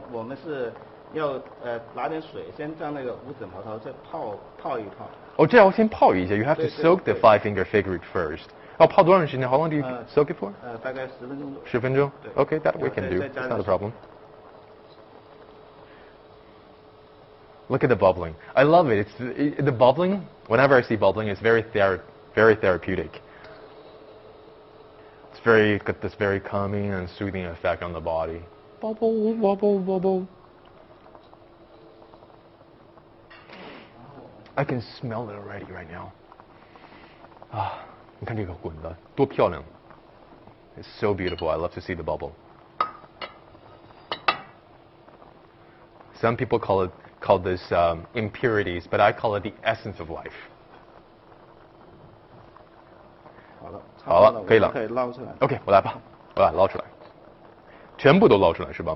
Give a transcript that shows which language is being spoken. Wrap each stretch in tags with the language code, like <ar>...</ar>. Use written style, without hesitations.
<zh>我们是要拿点水，先将那个五指毛头再泡一泡。哦，这要先泡一下。</zh> <en>You have to soak the five-finger fig root first.</en> <zh>哦，泡多长时间 ？</zh> <en>How long do you soak it for？</en> <zh>大概十分钟左右。十分钟。对。</zh> <en>Okay, that we can do. It's not a problem. Look at the bubbling. I love it. It's the bubbling. Whenever I see bubbling, it's very therapeutic. It's very got this very calming and soothing effect on the body. Bubble. I can smell it already right now.</en> <zh>啊，你看这个滚的多漂亮 ！</zh> <en>It's so beautiful. I love to see the bubble. Some people call this impurities, but I call it the essence of life.</en> <zh>好了，可以了，可以捞出来。 OK， 我来吧，我来捞出来，全部都捞出来是吧？</zh>